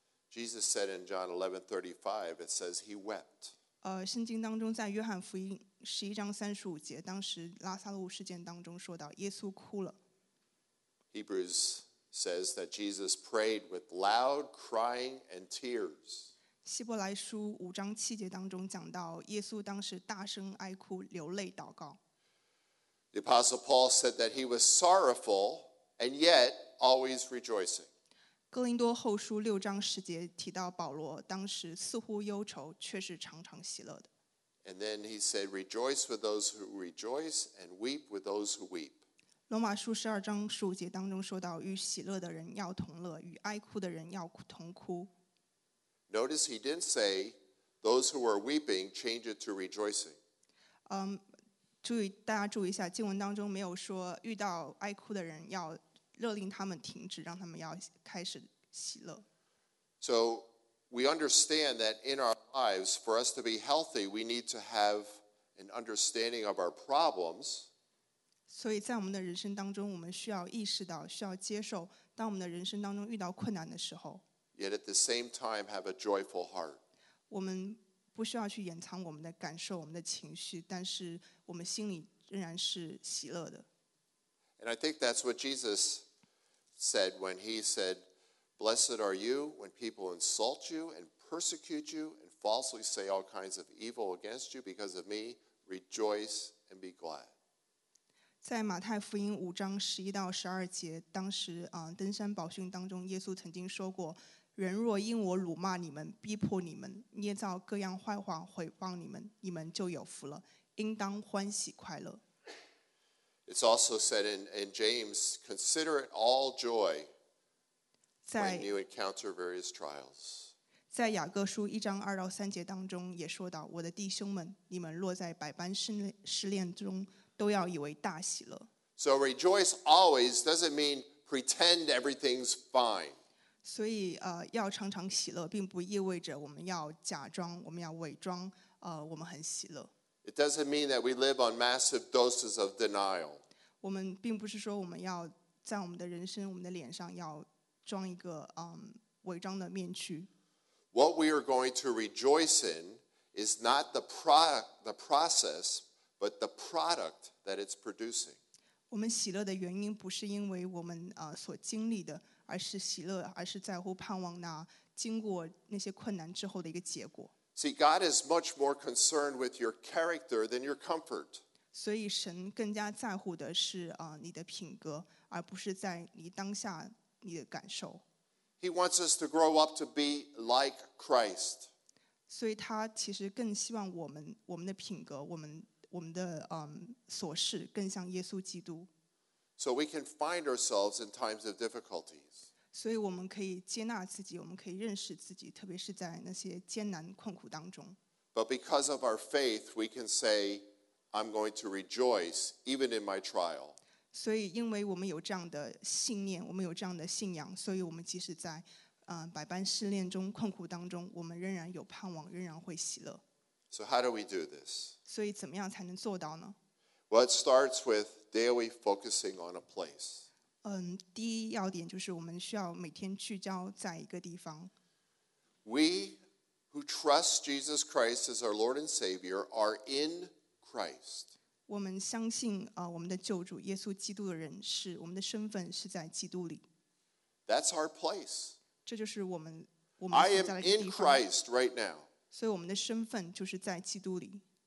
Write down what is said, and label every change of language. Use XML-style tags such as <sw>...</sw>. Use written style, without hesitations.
<en>Jesus said in John 11:35, it says he wept.</en> <zh>圣经当中在约翰福音十一章三十五节，当时拉撒路事件当中说到耶稣哭了。</zh> <en>Hebrews says that Jesus prayed with loud crying and tears.</en> <zh>希伯来书五章七节当中讲到耶稣当时大声哀哭，流泪祷告。</zh> <en>The Apostle Paul said that he was sorrowful and yet always rejoicing.</en> <zh>哥林多后书六章十节提到保罗当时似乎忧愁，却是常常喜乐的。</zh> <en>And then he said, rejoice with those who rejoice and weep with those who weep.</en> <zh>罗马书十二章十五节当中说到与喜乐的人要同乐，与哀哭的人要同哭。</zh> <en>Notice he didn't say those who are weeping change it to rejoicing.</en> <zh>注意，大家注意一下，经文当中没有说遇到哀哭的人要勒令他们停止，让他们要开始喜乐。</zh> <en>So we understand that in our lives, for us to be healthy, we need to have an understanding of our problems.</en> <zh>所以在我们的人生当中，我们需要意识到，需要接受，当我们的人生当中遇到困难的时候。</zh> <en>Yet at the same time, have a joyful heart.</en> <zh>我们不需要去掩藏我们的感受，我们的情绪，但是我们心里仍然是喜乐的。</zh> <en>And I think that's what Jesus said when he said,Blessed are you when people insult you and persecute you and falsely say all kinds of evil against you because of me. Rejoice and be glad.</en> <zh>在马太福音五章十一到十二节，当时登山宝训当中，耶稣曾经说过：“人若因我辱骂你们、逼迫你们、捏造各样坏话毁谤你们，你们就有福了，应当欢喜快乐。”</zh> <en>It's also said in James, consider it all joy. When you encounter various trials.</en> <zh>在雅各书一章二到三节当中也说到，我的弟兄们，你们落在百般试炼中，都要以为大喜乐。</zh> <en>So rejoice always doesn't mean pretend everything's fine.</en> <zh>所以要常常喜乐，并不意味着我们要假装，我们要伪装，我们很喜乐。</zh> <en>It doesn't mean that we live on massive doses of denial.</en> <zh>我们并不是说我们要在我们的人生，我们的脸上要装一个伪装的面具。</zh> <en>What we are going to rejoice in is not the process, but the product that it's producing.</en> <zh>我们喜乐的原因不是因为我们所经历的，而是喜乐，而是在乎盼望那经过那些困难之后的一个结果。</zh> <en>See, God is much more concerned with your character than your comfort.</en> <zh>所以神更加在乎的是你的品格，而不是在你当下。你的感受。</zh> <en>He wants us to grow up to be like Christ.</en> <zh>所以他其实更希望我们的品格，我们的所事更像耶稣基督。</zh> <en>So we can find ourselves in times of difficulties.</en> <zh>所以我们可以接纳自己，我们可以认识自己，特别是在那些艰难困苦当中。</zh> <en>But because of our faith, we can say, I'm going to rejoice even in my trial.</en> <zh>所以因为我们有这样的信念，我们有这样的信仰，所以我们即使在百般试炼中、困苦当中，我们仍然有盼望，仍然会喜乐。</zh> <en>So how do we do this?</en> <zh>所以怎么样才能做到呢？</zh> <en>Well, it starts with daily focusing on a place.</en> <zh>第一要点就是我们需要每天聚焦在一个地方。</zh> <en>We who trust Jesus Christ as our Lord and Savior are in Christ.</en> <zh>我们相信我们的救主耶稣基督的人是我们的身份是在基督里。</zh> <en>That's our place.</en> <zh>这就是我们</zh> <en>I am in Christ right now.</en> <zh>所以我们的身份就是在基督里。</zh>